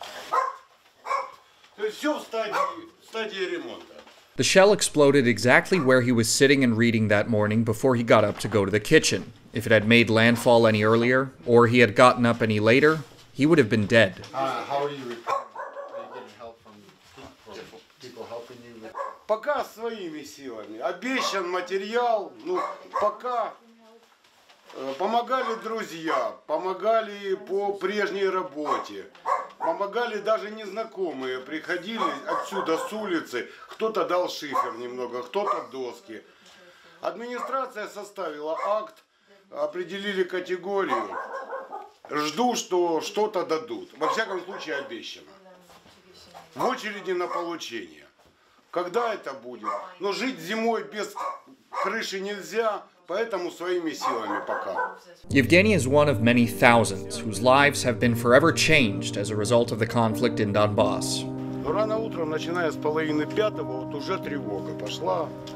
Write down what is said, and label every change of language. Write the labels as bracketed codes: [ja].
[ru] То есть все в стадии ремонта. [en] The shell exploded exactly where he was sitting and reading that morning before he got up to go to the kitchen. If it had made landfall any earlier, or he had gotten up any later, he would have been dead. How are you recovering? Are you getting help from people helping you? [ru] Пока своими силами. Обещан материал. Ну, пока. Помогали друзья. Помогали по прежней работе. Помогали даже незнакомые, приходили отсюда, с улицы, кто-то дал шифер немного, кто-то доски. Администрация составила акт, определили категорию, жду, что что-то дадут, во всяком случае обещано. В очереди на получение. Когда это будет? Но жить зимой без крыши нельзя. Поэтому своими силами пока. [en] Yevgeny is one of many thousands whose lives have been forever changed as a result of the conflict in Donbas. [ru] Но рано утром, начиная с половины пятого, вот уже тревога пошла.